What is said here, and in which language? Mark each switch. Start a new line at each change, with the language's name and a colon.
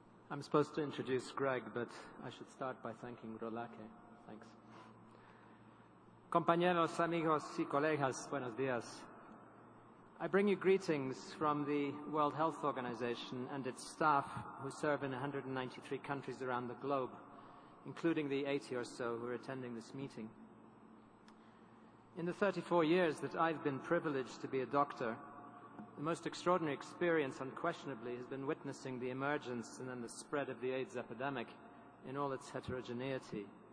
English: I'm supposed to introduce Greg, but I should start by thanking Rolake. Thanks.
Spanish: Compañeros, amigos y colegas, buenos días.
English: I bring you greetings from the World Health Organization and its staff who serve in 193 countries around the globe, including the 80 or so who are attending this meeting. In the 34 years that I've been privileged to be a doctor, the most extraordinary experience, unquestionably, has been witnessing the emergence and then the spread of the AIDS epidemic in all its heterogeneity.